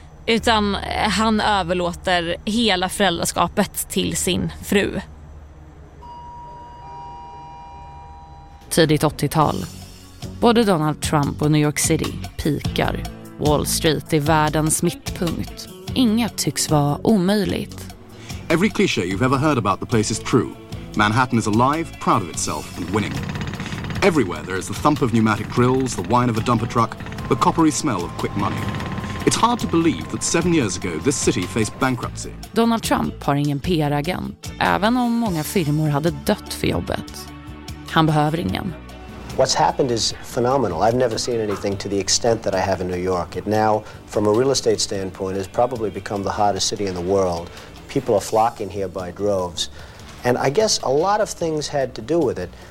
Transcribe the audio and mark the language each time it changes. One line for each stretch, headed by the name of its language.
Swedish: Utan han överlåter hela föräldraskapet till sin fru. Tidigt 80-tal. Både Donald Trump och New York City pikar. Wall Street är världens mittpunkt. Inget tycks vara omöjligt.
English: Every cliche you've ever heard about the place is true. Manhattan is alive, proud of itself, and winning. Everywhere there is the thump of pneumatic drills, the whine of a dumper truck, the coppery smell of quick money. It's hard to believe that 7 years ago this city faced bankruptcy.
Swedish: Donald Trump har ingen PR-agent, även om många firmor hade dött för jobbet. Han behöver ingen.
English: What's happened is phenomenal. I've never seen anything to the extent that I have in New York. It now, from a real estate standpoint, has probably become the hottest city in the world. People are flocking here by droves. And I guess a lot of things had to do with it.